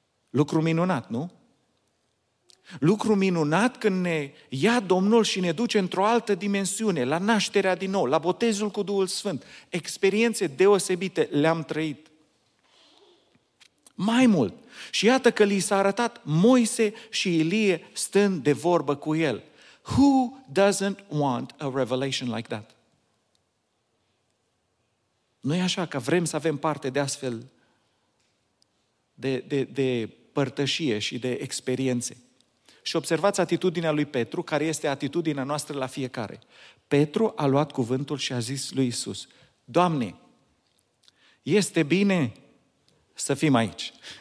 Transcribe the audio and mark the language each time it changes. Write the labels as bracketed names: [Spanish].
[Romanian] Lucru minunat, nu? Lucru minunat când ne ia Domnul și ne duce într-o altă dimensiune, la nașterea din nou, la botezul cu Duhul Sfânt. Experiențe deosebite le-am trăit. Mai mult, și iată că li s-a arătat Moise și Ilie stând de vorbă cu el. [English] Who doesn't want a revelation like that? [Romanian] Nu e așa că vrem să avem parte de astfel de părtășie și de experiențe. Și observați atitudinea lui Petru, care este atitudinea noastră la fiecare. Petru a luat cuvântul și a zis lui Iisus, Doamne, este bine să fim aici.